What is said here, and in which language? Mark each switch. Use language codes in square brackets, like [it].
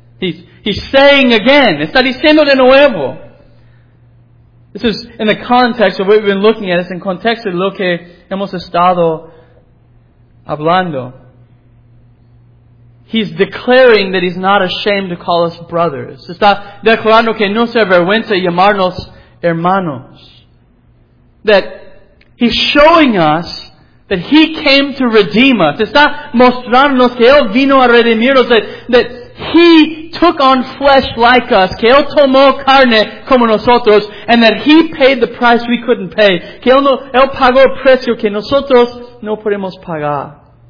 [en] He's saying again. [es] Está diciendo de nuevo. [en] This is in the context of what we've been looking at. It's in context of [es] lo que hemos estado hablando. [en] He's declaring that He's not ashamed to call us brothers. [es] Está declarando que no se avergüenza llamarnos hermanos. [en] That He's showing us that He came to redeem us. [es] Está mostrándonos que Él vino a redimirnos. [en] That He took on flesh like us, [es] que Él tomó carne como nosotros, [en] and that He paid the price we couldn't pay, [es] que Él, no, Él pagó el precio que nosotros no podemos pagar.